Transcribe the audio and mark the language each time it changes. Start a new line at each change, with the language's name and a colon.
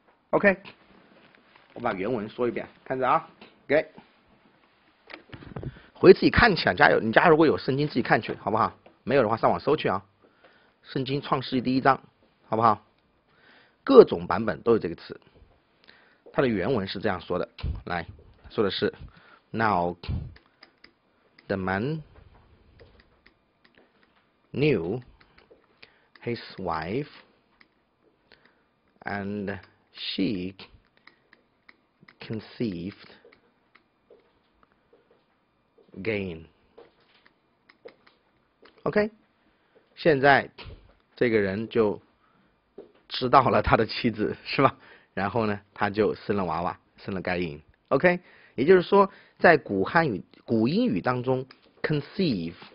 Chinese: OK，我把原文说一遍，看着啊，OK，回自己看去啊，加油！你家如果有圣经，自己看去，好不好？没有的话，上网搜去啊，《圣经创世纪》第一章，好不好？各种版本都有这个词，它的原文是这样说的，来，说的是
English: Now the man。 Knew his wife, and she conceived again.
Chinese: OK，现在这个人就知道了他的妻子是吧？然后呢，他就生了娃娃，生了该隐。OK，也就是说，在古汉语、古英语当中，conceive。